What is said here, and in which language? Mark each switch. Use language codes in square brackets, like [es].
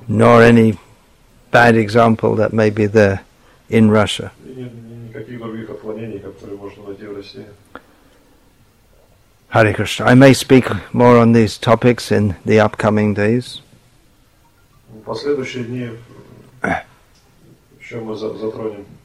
[en] Nor any bad example that may be there in Russia. [ru] И никаких других отклонений, которые можно найти в России. [en] Hare Krishna. I may speak more on these topics in the upcoming days. [ru] В последующие дни еще мы затронем.